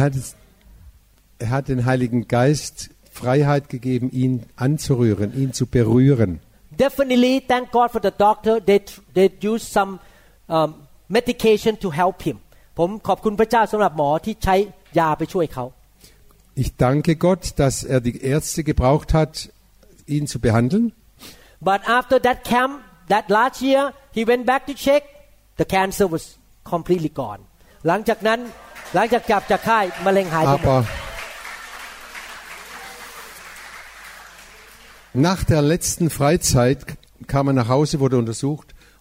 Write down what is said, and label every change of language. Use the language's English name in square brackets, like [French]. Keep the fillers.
[German] hat, er hat den Heiligen Geist Freiheit gegeben, ihn anzurühren, ihn zu berühren. [English] Definitely, thank God for the doctor. They, they used some um, medication to help him. [Thai] ผมขอบคุณพระเจ้าสำหรับหมอที่ใช้ยาไปช่วยเขา [German] Ich danke Gott, dass er die Ärzte gebraucht hat, ihn zu behandeln. [English] But after that camp, that last year, he went back to check. The cancer was completely gone. [Thai] หลังจากนั้นหลังจากกลับจากค่ายมะเร็งหายไป [German] Nach der letzten Freizeit kam er nach Hause, wurde untersucht